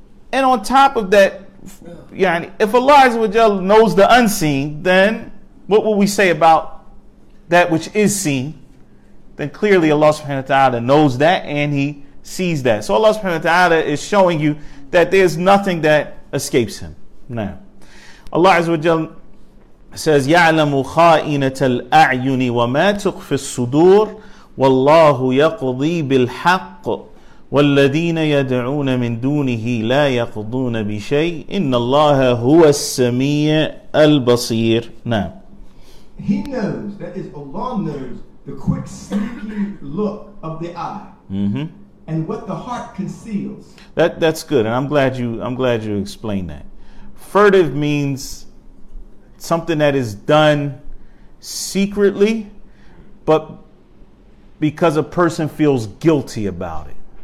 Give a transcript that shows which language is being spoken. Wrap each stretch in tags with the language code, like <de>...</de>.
<en>And on top of that, yani, if Allah Azza wa Jalla knows the unseen, then what will we say about that which is seen? Then clearly Allah subhanahu wa ta'ala knows that and he sees that. So Allah subhanahu wa ta'ala is showing you that there's nothing that escapes him.</en> <ar>Now, Allah Azza wa Jalla says, يَعْلَمُ خَائِنَةَ الْأَعْيُنِ وَمَا تُخْفِ الصُّدُورِ وَاللَّهُ يَقْضِي بِالْحَقِّ وَالَّذِينَ يَدْعُونَ مِن دُونِهِ لَا يَقْضُونَ بِشَيْءٍ إِنَّ اللَّهَ هُوَ السَّمِيعُ الْبَصِيرُ.</ar> <en>Now, he knows, that is, Allah knows the quick sneaking look of the eye and what the heart conceals. That's good, and I'm glad you explained that. Furtive means something that is done secretly, but because a person feels guilty about it.</en>